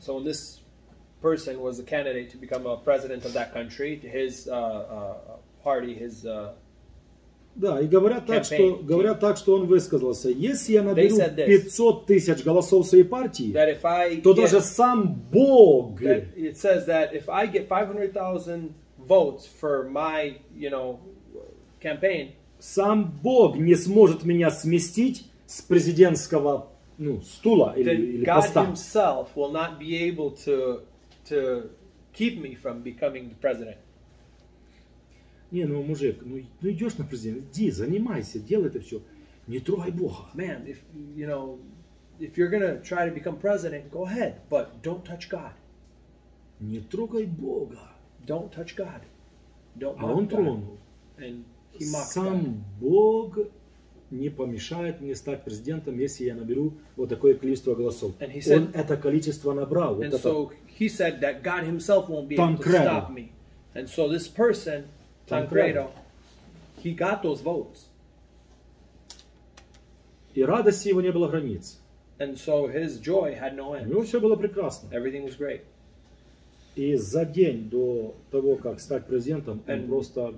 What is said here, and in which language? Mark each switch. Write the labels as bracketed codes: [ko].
[en] So this person was a candidate to become a president of that country, his party, his... [ru] Да, и говорят так, что он высказался. Если я наберу 500 тысяч голосов своей партии, то даже сам Бог... [en] It says that if I get 500,000 votes for my, you know, campaign... [ru] Сам Бог не сможет меня сместить с президентского, ну, стула или поста. [en] That God himself will not be able to keep me from becoming the president. [ru] Не, ну мужик, ну идешь на президент, иди, занимайся, делай это все, не трогай Бога. [en] Man, if you're gonna try to become president, go ahead, but don't touch God. [ru] Не трогай Бога. [en] Don't touch God. Don't mock God. [ru] А он тронул. [en] And he mocked [ru] Сам Бог не помешает мне стать президентом, если я наберу вот такое количество голосов. [en] And he said, [ru] он это количество набрал. Вот [en] and [ru] это. [en] So he said that God himself won't be able to stop me. And so this person... Tancredo, he got those votes. [ru] И радости его не было границ. [en] And so his joy had no end. [ru] У него все было прекрасно. [en] Everything was great. [ru] И за день до того, как стать президентом, он просто...